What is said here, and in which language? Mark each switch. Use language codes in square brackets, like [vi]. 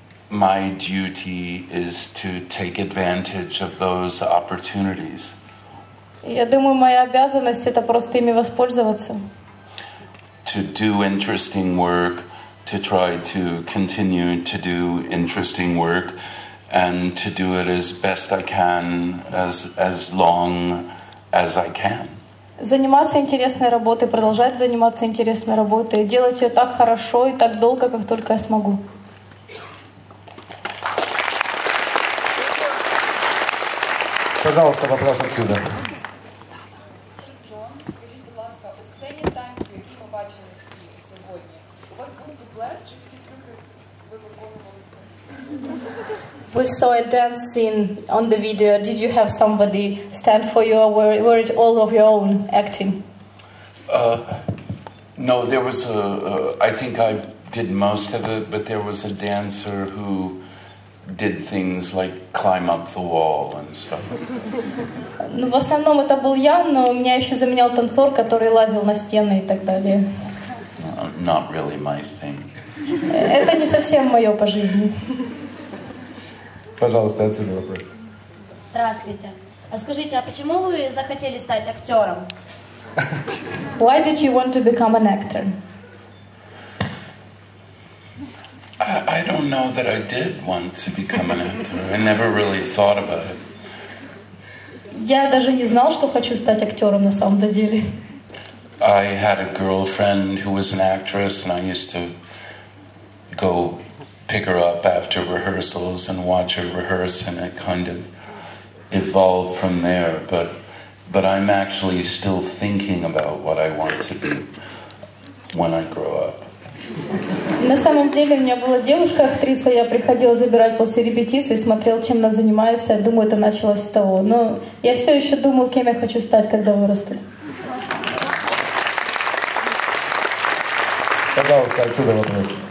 [en] my duty is to take advantage of those opportunities. [ru] Я думаю, моя обязанность это просто ими воспользоваться. [en] To do interesting work, to try to continue to do interesting work, and to do it as best I can, as long as I can. [ru] Заниматься интересной работой, продолжать заниматься интересной работой, делать ее так хорошо и так долго, как только я смогу. Пожалуйста, вопрос отсюда. [en] We saw a dance scene on the video. Did you have somebody stand for you, or were it all of your own acting? No, there was a... I think I did most of it, but there was a dancer who did things like climb up the wall and stuff. [ru] Ну, в основном это был я, но меня еще заменял танцор, который лазил на стены и так далее. [en] Not really my thing. [ru] Это не совсем мое по жизни. Пожалуйста, отсюда вопрос. Здравствуйте. А скажите, а почему вы захотели стать актером? [en] Why did you want to become an actor? I don't know that I did want to become an actor. I never really thought about it. [ru] Я даже не знал, что хочу стать актером на самом-то деле. [en] I had a girlfriend who was an actress, and I used to go pick her up after rehearsals and watch her rehearse, and it kind of evolved from there. But I'm actually still thinking about what I want to be when I grow up. [ru] На самом деле у меня была девушка актриса, я приходила забирать после репетиции, смотрел, чем она занимается, думаю, это началось с того. Но я все еще думаю, кем я хочу стать, когда вырасту. Пожалуйста, отсюда вопрос.